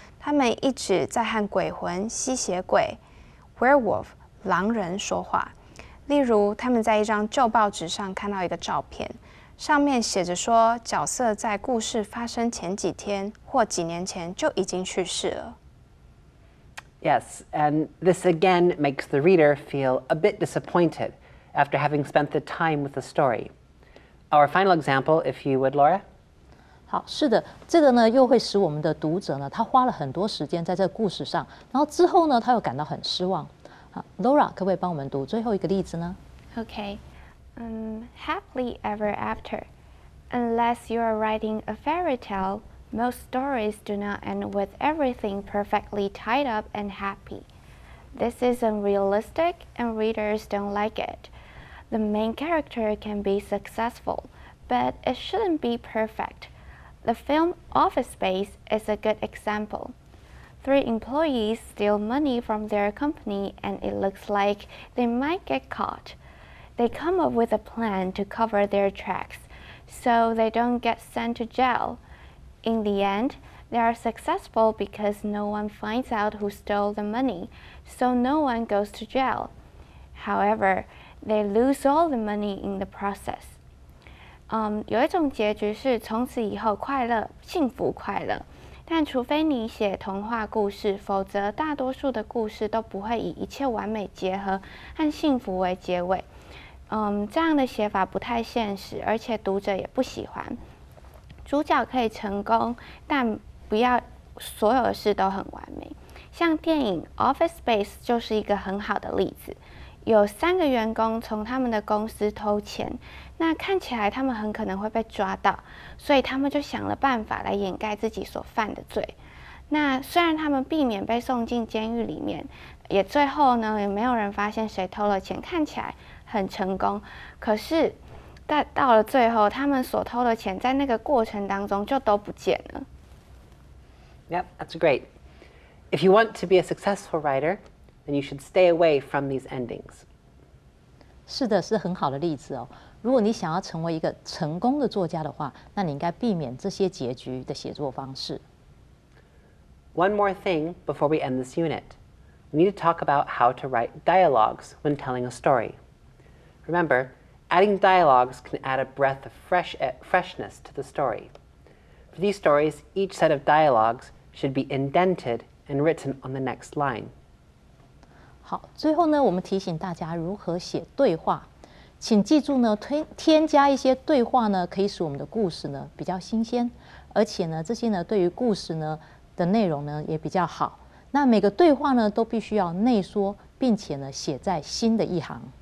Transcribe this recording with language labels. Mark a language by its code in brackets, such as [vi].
[zh] 他们一直在和鬼魂、吸血鬼、werewolf、狼人说话。例如，他们在一张旧报纸上看到一个照片，上面写着说，角色在故事发生前几天或几年前就已经去世了。 [en] Yes, and this again makes the reader feel a bit disappointed after having spent the time with the story. Our final example, if you would, Laura. [zh] 好，是的，这个呢又会使我们的读者呢，他花了很多时间在这个故事上，然后之后呢他又感到很失望。好 ，Laura， 可不可以帮我们读最后一个例子呢 [en] ？Okay. Happily ever after. Unless you are writing a fairy tale, most stories do not end with everything perfectly tied up and happy. This is unrealistic and readers don't like it. The main character can be successful, but it shouldn't be perfect. The film Office Space is a good example. Three employees steal money from their company and it looks like they might get caught. They come up with a plan to cover their tracks, so they don't get sent to jail. In the end, they are successful because no one finds out who stole the money, so no one goes to jail. However, they lose all the money in the process. [zh] 有一种结局是从此以后快乐，幸福快乐。但除非你写童话故事，否则大多数的故事都不会以一切完美结合和幸福为结尾。这样的写法不太现实，而且读者也不喜欢。主角可以成功，但不要所有的事都很完美。像电影《Office Space》就是一个很好的例子。有三个员工从他们的公司偷钱，那看起来他们很可能会被抓到，所以他们就想了办法来掩盖自己所犯的罪。那虽然他们避免被送进监狱里面，也最后呢也没有人发现谁偷了钱，看起来很成功，可是到了最后，他们所偷的钱在那个过程当中就都不见了。 [en] Yep, that's great. If you want to be a successful writer, then you should stay away from these endings. [zh] 是的，是很好的例子哦。如果你想要成为一个成功的作家的话，那你应该避免这些结局的写作方式。 [en] One more thing before we end this unit. We need to talk about how to write dialogues when telling a story. Remember, adding dialogues can add a breath of freshness to the story. For these stories, each set of dialogues should be indented and written on the next line. [zh] 好，最后呢，我们提醒大家如何写对话。请记住呢，添加一些对话呢，可以使我们的故事呢比较新鲜，而且呢，这些呢对于故事呢的内容呢也比较好。那每个对话呢都必须要内缩，并且呢写在新的一行。